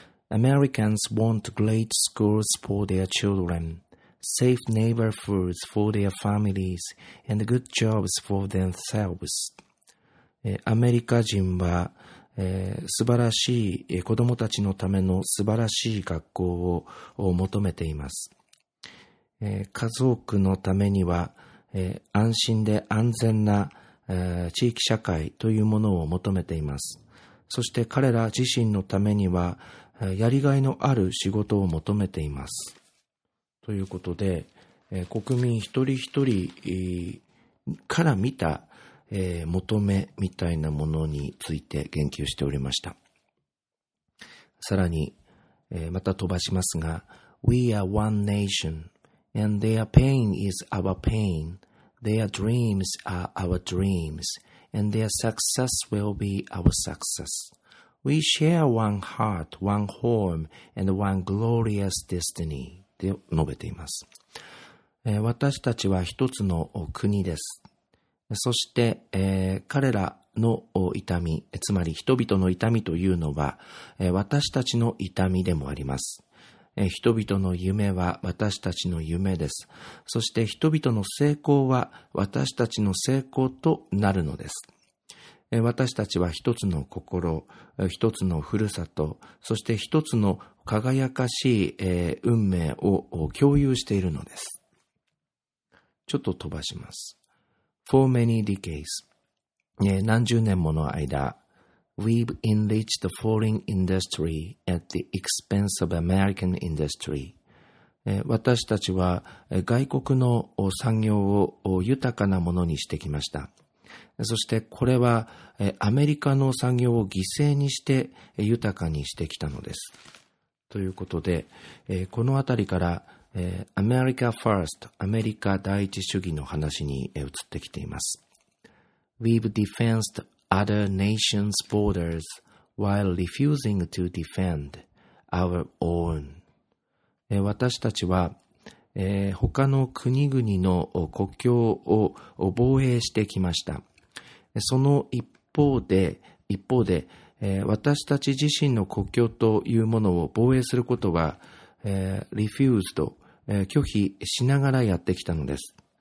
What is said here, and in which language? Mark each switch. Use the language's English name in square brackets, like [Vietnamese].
[English] Americans want great schools for their children, safe neighborhoods for their families, and good jobs for themselves. [Japanese] アメリカ人は、素晴らしい、子どもたちのための素晴らしい学校を求めています。家族のためには、安心で安全な、地域社会というものを求めています。そして彼ら自身のためには、やりがいのある仕事を求めています。ということで、国民一人一人から見た、求めみたいなものについて言及しておりました。さらに、また飛ばしますが、 [English] We are one nation. And their pain is our pain, their dreams are our dreams, and their success will be our success. We share one heart, one home, and one glorious destiny. [Japanese] と述べています。私たちは一つの国です。そして、彼らの痛み、つまり人々の痛みというのは、私たちの痛みでもあります。人々の夢は私たちの夢です。そして人々の成功は私たちの成功となるのです。私たちは一つの心、一つのふるさと、そして一つの輝かしい運命を共有しているのです。ちょっと飛ばします。 [English] For many decades, [Japanese] 何十年もの間、 [English] We've enriched the foreign industry at the expense of American industry. [Japanese] 私たちは外国の産業を豊かなものにしてきました。そしてこれはアメリカの産業を犠牲にして豊かにしてきたのです。ということで、このあたりからAmerica First、アメリカ第一主義の話に移ってきています。 [English] We've defensedother nations' borders while refusing to defend our own. [Japanese] 私たちは、他の国々の国境を防衛してきました。その一方で、私たち自身の国境というものを防衛することは、refused、拒否しながらやってきたのです。